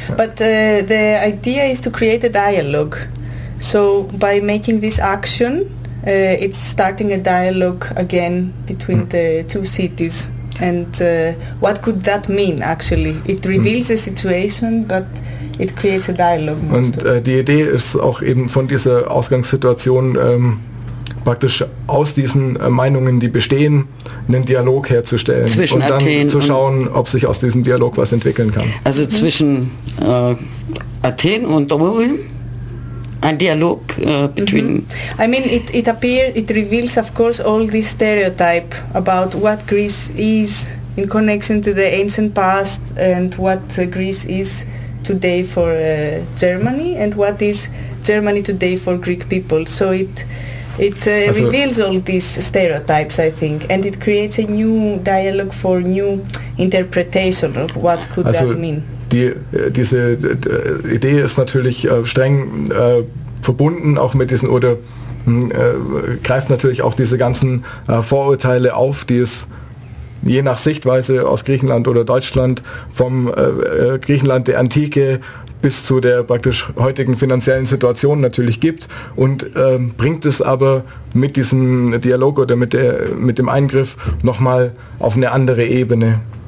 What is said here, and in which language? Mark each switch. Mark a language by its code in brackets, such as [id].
[en] Yeah, but the idea is to create a dialogue. So by making this action, it's starting a dialogue again between the two cities. And what could that mean actually? It reveals a situation, but it creates a dialogue. [de] Und die Idee ist auch eben von dieser Ausgangssituation praktisch aus diesen Meinungen, die bestehen, einen Dialog herzustellen. Zwischen und dann Athen zu schauen, ob sich aus diesem Dialog was entwickeln kann. Also zwischen Athen und Rom. [en] A dialogue between. Mm-hmm. I mean, it reveals, of course, all this stereotype about what Greece is in connection to the ancient past and what Greece is today for Germany and what is Germany today for Greek people. So it reveals all these stereotypes, I think, and it creates a new dialogue for new interpretation of what could also that mean. [de] Diese Idee ist natürlich streng verbunden auch mit diesen oder greift natürlich auch diese ganzen Vorurteile auf, die es je nach Sichtweise aus Griechenland oder Deutschland vom Griechenland der Antike bis zu der praktisch heutigen finanziellen Situation natürlich gibt und bringt es aber mit diesem Dialog oder mit dem Eingriff nochmal auf eine andere Ebene.